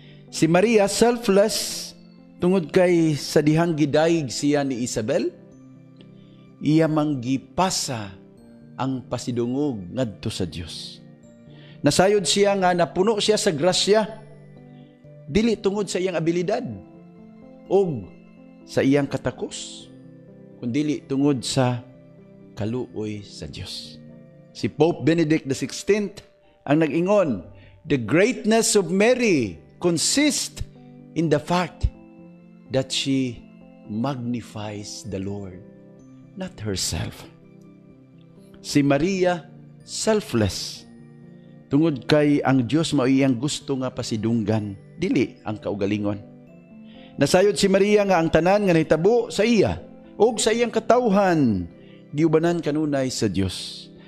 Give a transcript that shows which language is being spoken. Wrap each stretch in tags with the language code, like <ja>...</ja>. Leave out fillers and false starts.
<ceb>Si Maria selfless tungod kay sa dihang gidayig siya ni Isabel, iya manggipasa ang pasidungog ngadto sa Dios. Nasayod siya nga napuno siya sa grasya dili tungod sa iyang abilidad o sa iyang katakos, kundili tungod sa kaluoy sa Dios. Si Pope Benedict the 16th ang nag-ingon,</ceb> <en>"The greatness of Mary consists in the fact that she magnifies the Lord, not herself."</en> <ceb>Si Maria selfless tungod kay ang Dios mao iyang gusto nga pasidunggan, dili ang kaugalingon. Nasayod si Maria nga ang tanan nga nahitabo sa iya ug sa iyang katawhan giubanan kanunay sa Dios.</ceb>